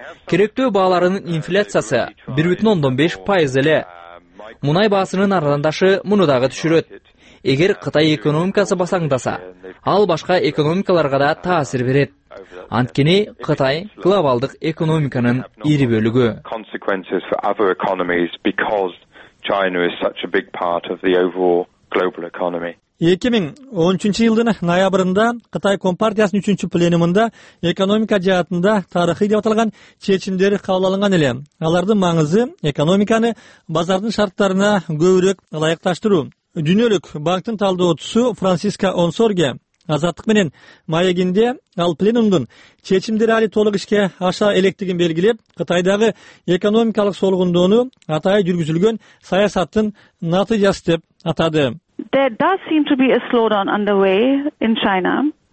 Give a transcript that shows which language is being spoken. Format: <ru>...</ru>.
<ky>Керектөө бааларынын инфляциясы 1.5% эле. Мунай баасынын арзандашы муну дагы түшүрөт. Эгер Кытай экономикасы басаңдаса, ал башка экономикаларга да таасир берет. Анткени Кытай глобалдык экономиканын ири бөлүгү.</ky> <en>Consequences for other economies because China is such a big part of the overall global economy.</en> <ky>2013 жылдын ноябрында Кытай Компартиясынын 3-чү пленумунда экономика жаатында тарыхый деп аталган чечимдер кабыл алынган эле. Алардын маңызы экономиканы базардын шарттарына көбүрөөк ылайыкташтыруу. Дүйнөлүк банктын талдоочусу Франциско Онсорге Азаттык менен маегинде ал пленумдун чечимдери али толук ишке аша электигин белгилеп, Кытайдагы экономикалык солгундоону атайы жүргүзүлгөн саясаттын натыйжасы деп атады.</ky> <en>There does seem to be a slowdown underway in China.</en>